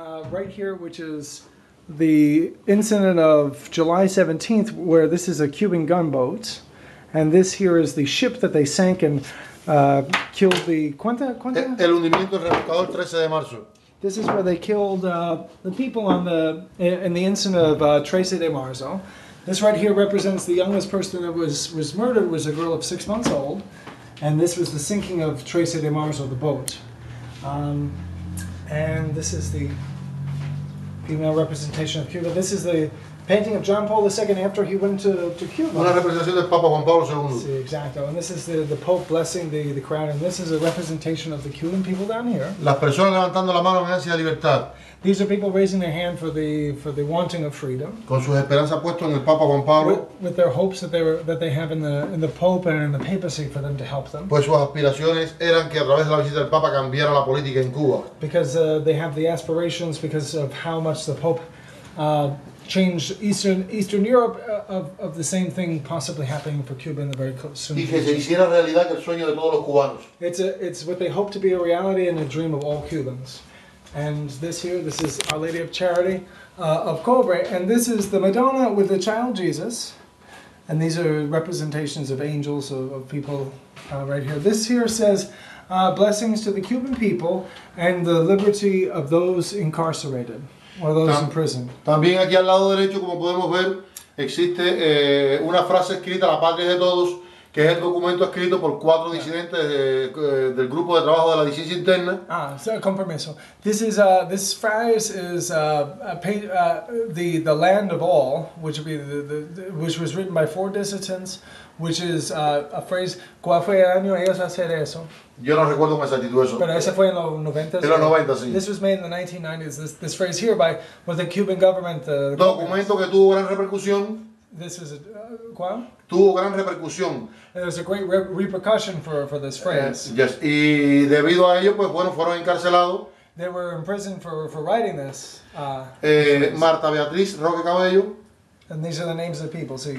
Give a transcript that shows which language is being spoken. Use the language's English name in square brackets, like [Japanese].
[English] Right here, which is the incident of July 17th, where this is a Cuban gunboat. And this here is the ship that they sank and killed the... [Spanish] ¿Cuánta? El hundimiento del remolcador 13 de marzo. [English] This is where they killed the people in the incident of 13 de marzo. This right here represents the youngest person that was murdered was a girl of 6 months old, and this was the sinking of 13 de marzo, the boat. And this is the female representation of Cuba. This is the painting of John Paul II after he went to Cuba. [Spanish] Una representación del Papa Juan Pablo II. Sí, exacto. [English] And this is the Pope blessing the crown. And this is a representation of the Cuban people down here. [Spanish] Las personas levantando la mano en ansia de libertad. [English] These are people raising their hand for the wanting of freedom. [Spanish] Con sus esperanzas puestas en el Papa Juan Pablo. [English] With their hopes that they have in the Pope and in the papacy for them to help them. [Spanish] Pues sus aspiraciones eran que a través de la visita del Papa cambiara la política en Cuba. [English] Because they have the aspirations because of how much the Pope... change Eastern Europe of the same thing possibly happening for Cuba in the very soon future. [Spanish] Y que se hiciera realidad el sueño de todos los cubanos. [English] It's what they hope to be a reality and a dream of all Cubans. And this is Our Lady of Charity of Cobre. And this is the Madonna with the child Jesus. And these are representations of angels, of people right here. This here says, blessings to the Cuban people and the liberty of those incarcerated. Or those in prison. [Spanish] También aquí al lado derecho, como podemos ver, existe una frase escrita, La Patria de Todos, que es el documento escrito por cuatro disidentes del grupo de trabajo de la disidencia interna. [English] Ah, so, [Spanish] con permiso. [English] This phrase is the land of all, which would be which was written by four dissidents, which is a phrase, [Spanish] ¿cuál fue el año ellos hacer eso? Yo no recuerdo con exactitud eso. Pero ese fue en los 90. En los 90, sí. [English] This was made in the 1990s. This phrase here by was the Cuban government. [Spanish] Documento que tuvo gran repercusión. [English] This is [Spanish] ¿cuál? Tuvo gran repercusión. [English] And there was a great repercussion for this phrase. Yes. [Spanish] Y debido a ello, pues bueno, fueron encarcelados. [English] They were in prison for writing this. [Spanish] Marta Beatriz Roque Cabello. [English] And these are the names of the people, [Spanish] sí.